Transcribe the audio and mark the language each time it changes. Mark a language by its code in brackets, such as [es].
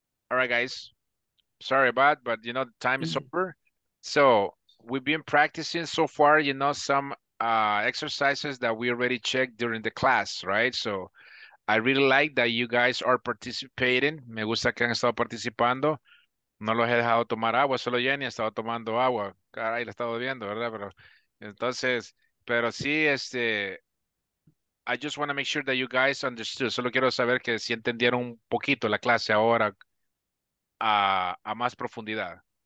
[en] All right, guys. Sorry about, but you know, the time is over. So we've been practicing so far, you know, some exercises that we already checked during the class, right? So I really like that you guys are participating. [es] Me gusta que han estado participando. No los he dejado tomar agua, solo Jenny estaba tomando agua. Caray, la estaba viendo, ¿verdad? Pero sí, [en] I just want to make sure that you guys understood. [es] Solo quiero saber que si entendieron un poquito la clase ahora a más profundidad.